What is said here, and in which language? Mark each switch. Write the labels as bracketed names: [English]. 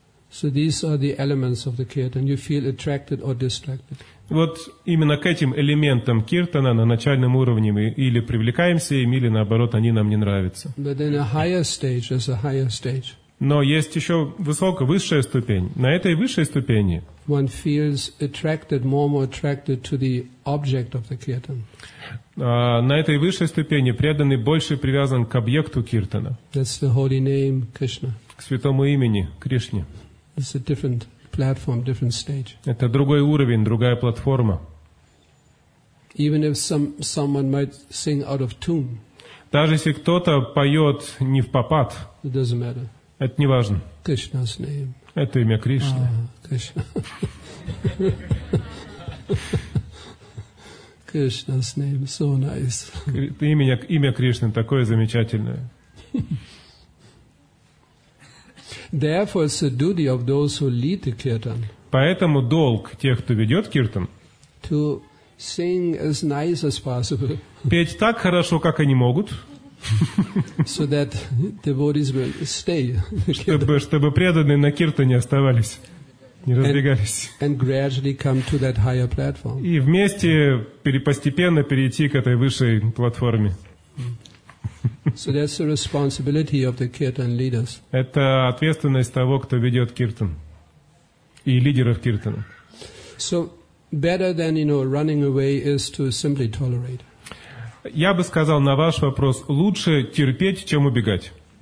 [English] So these are the elements of the kirtan. You feel attracted or distracted. [Russian] Вот именно к этим элементам киртана на начальном уровне мы или привлекаемся им, или наоборот, они нам не нравятся. [English] But then a higher stage is a higher stage. [Russian] Но есть еще высшая ступень. На этой высшей ступени [English] one feels attracted, more and more attracted to the object of the kirtan. [Russian] На этой высшей ступени преданный больше привязан к объекту киртана. [English] That's the holy name, Krishna. [Russian] К святому имени Кришне. [English] It's a different platform, different stage. [Russian] Это другой уровень, другая платформа. [English] Even if someone might sing out of tune. [Russian] Даже если кто-то поет не в попад. [English] It doesn't matter. [Russian] Это не важно. [English] Krishna's name. [Russian] Это имя Кришны. [English] Krishna. Krishna's name, so nice. [Russian] Имя Кришны такое замечательное. [English] Therefore, it's the duty of those who lead the kirtan. [Russian] Поэтому долг тех, кто ведет киртан. [English] To sing as nice as possible. [Russian] Петь так хорошо, как они могут. [English] So that devotees will stay. [Russian] Чтобы преданные на киртане оставались, не разбегались. [English] And gradually come to that higher platform. [Russian] И вместе постепенно перейти к этой высшей платформе. [English] So that's the responsibility of the kirtan leaders. [Russian] Это ответственность того, кто ведет киртан и лидеров киртана. [English] So better than, you know, running away is to simply tolerate. [Russian] Я бы сказал на ваш вопрос: лучше терпеть, чем убегать.